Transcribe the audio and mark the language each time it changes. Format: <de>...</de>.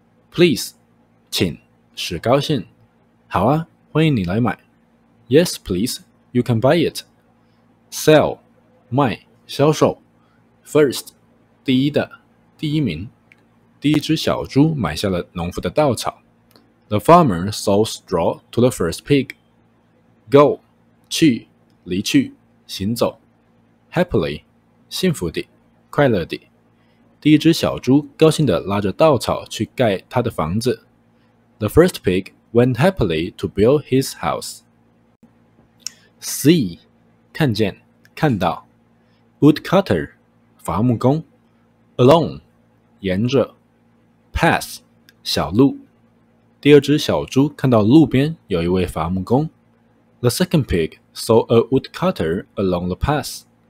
<en>Please,</en> <zh>请，使高兴。好啊，欢迎你来买。</zh> <en>Yes, please, you can buy it. Sell,</en> <zh>卖，销售。</zh> <en>First,</en> <zh>第一的，第一名。第一只小猪买下了农夫的稻草。</zh> <en>The farmer sold straw to the first pig. Go,</en> <zh>去，离去，行走。</zh> <en>Happily,</en> <zh>幸福地，快乐地。第一只小猪高兴地拉着稻草去盖他的房子。</zh> <en>The first pig went happily to build his house. See,</en> <zh>看见，看到。</zh> <en>Woodcutter,</en> <zh>伐木工。</zh> <en>Along,</en> <zh>沿着。</zh> <en>Path,</en> <zh>小路。第二只小猪看到路边有一位伐木工。</zh> <en>The second pig saw a woodcutter along the path.</en>